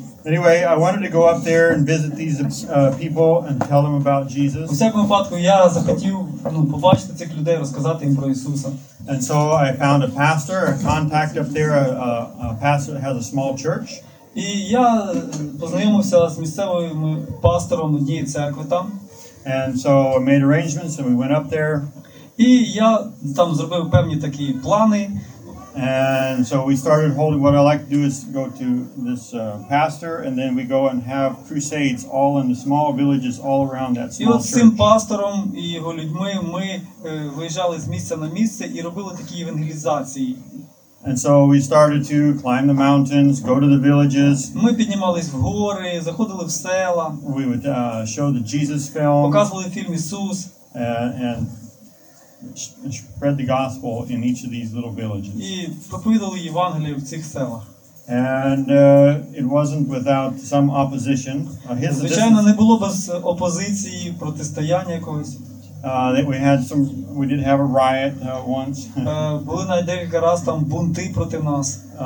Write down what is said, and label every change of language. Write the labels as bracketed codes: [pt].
[en] Anyway, I wanted to go up there and visit these people and tell them about Jesus. [uk] У всякому випадку, я захотів, побачити цих людей, розказати їм про Ісуса. [en] And so I found a pastor, a contact up there, a pastor that has a small church. [uk] І я познайомився з місцевим пастором однієї церкви там. [en] And so I made arrangements and we went up there. [uk] І я там зробив певні такі плани. [en] And so we started holding, what I like to do is go to this pastor, and then we go and have crusades all in the small villages all around that small church. [uk] І от цим пастором і його людьми ми виїжджали з місця на місце і робили такі евангелізації. [en] And so we started to climb the mountains, go to the villages. [uk] Ми піднімались в гори, заходили в села. [en] We would show the Jesus film. [uk] Показували фільм Ісус. [en] And spread the gospel in each of these little villages. [uk] І проповідували Євангеліє в цих селах. [en] And it wasn't without some opposition. [uk] Звичайно, не було без опозиції, протистояння якогось. [en] We did have a riot once. [uk] Були навіть декілька раз там бунти проти нас.